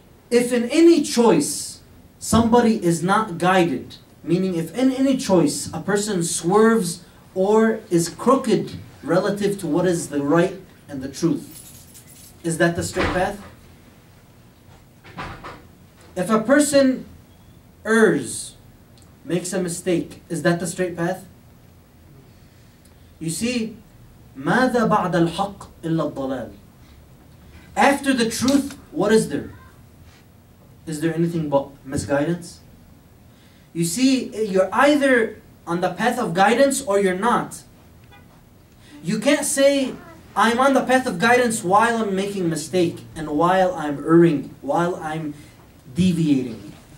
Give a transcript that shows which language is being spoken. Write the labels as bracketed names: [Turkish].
[English] If in any choice somebody is not guided, meaning if in any choice a person swerves or is crooked relative to what is the right and the truth, is that the straight path? If a person errs, makes a mistake, is that the straight path? You see, [Arabic] ماذا بعد الحق إلا الضلال? [English] After the truth, what is there? Is there anything but misguidance? You see, you're either on the path of guidance or you're not. You can't say, I'm on the path of guidance while I'm making mistake and while I'm erring, while I'm deviating.